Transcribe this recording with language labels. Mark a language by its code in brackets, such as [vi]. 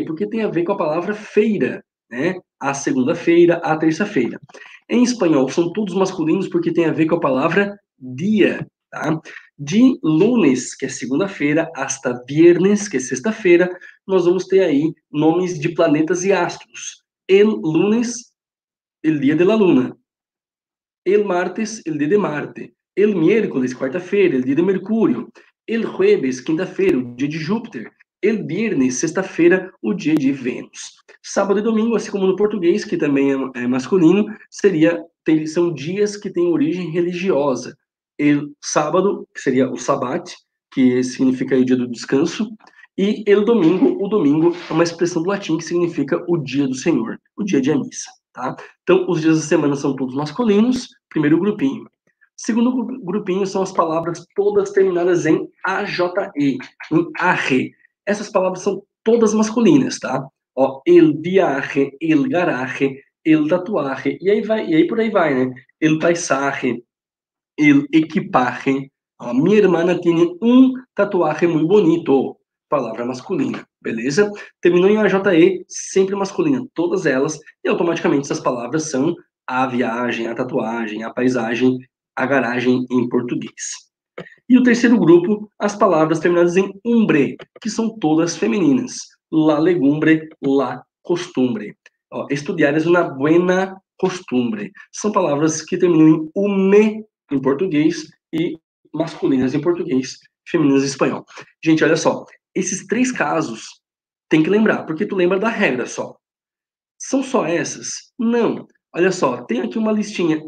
[pt] Porque tem a ver com a palavra feira, né? A segunda-feira, a terça-feira. Em espanhol, são todos masculinos porque tem a ver com a palavra dia, tá? De lunes, que é segunda-feira, [es] hasta viernes, [pt] que é sexta-feira, nós vamos ter aí nomes de planetas e astros. [es] El lunes, el día de la luna. El martes, el día de Marte. El miércoles, quarta-feira, el día de Mercúrio. El jueves, quinta-feira, [pt] o dia de Júpiter. [es] El viernes, [pt] sexta-feira, o dia de Vênus. Sábado e domingo, assim como no português, que também é masculino, são dias que têm origem religiosa. El sábado, que seria o sabbat, que significa o dia do descanso, e el domingo, o domingo é uma expressão do latim que significa o dia do Senhor, o dia de missa, tá? Então, os dias da semana são todos masculinos, primeiro grupinho. Segundo grupinho são as palavras todas terminadas em aje, em arre. Essas palavras são todas masculinas, tá? Ó, [es] el viaje, el garaje, el tatuaje, [pt] e aí por aí vai, né? [es] El paisaje, el equipaje. [pt] Ó, minha irmã [es] tiene um tatuaje muy bonito. [pt] Palavra masculina, beleza? Terminou em aje, sempre masculina, todas elas, e automaticamente essas palavras são a viagem, a tatuagem, a paisagem, a garagem em português. E o terceiro grupo, as palavras terminadas em umbre, que são todas femininas. [es] La legumbre, la costumbre. Ó, estudiar é una buena costumbre. [pt] São palavras que terminam em ume em português e masculinas em português, femininas em espanhol. Gente, olha só, esses três casos tem que lembrar, porque tu lembra da regra só. São só essas? Não. Olha só, tem aqui uma listinha.